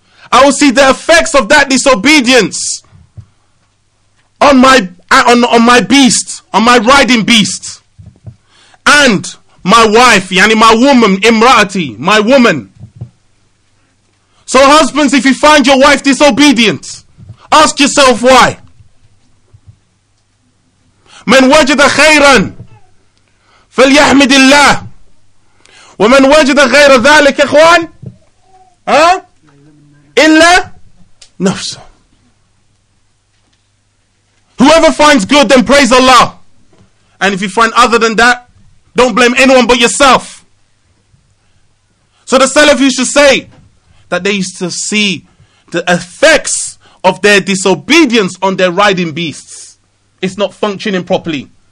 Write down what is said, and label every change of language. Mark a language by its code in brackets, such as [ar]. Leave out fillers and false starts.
[en] I will see the effects of that disobedience on my beast, on my riding beast, and my wife, yani my woman, imraati, my woman. So husbands, if you find your wife disobedient, ask yourself why. [ar] من وجد خيرا فليحمد الله ومن وجد غير ذلك اخوان الا نفسه. [en] Whoever finds good, then praise Allah, and if you find other than that, don't blame anyone but yourself. So the Salaf used to say that they used to see the effects of their disobedience on their riding beasts. It's not functioning properly.